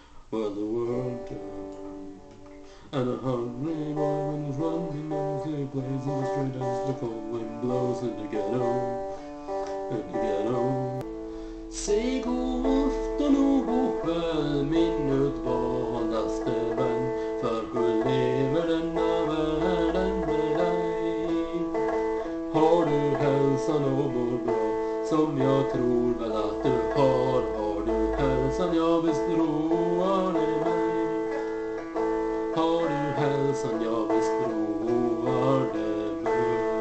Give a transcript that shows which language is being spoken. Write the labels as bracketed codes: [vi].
[en] Well, the world turns, and a hungry boy is running in the city, plays in the street as the cold wind blows in the ghetto, in the ghetto. [sv] Say god afton och god kväll, min utvaldaste vän, för hur lever denna världen med dig? Har du hälsan och mår bra, som jag tror väl att du har? Har du hälsan, ja visst roar det mig. Har du hälsan, ja visst roar det mig.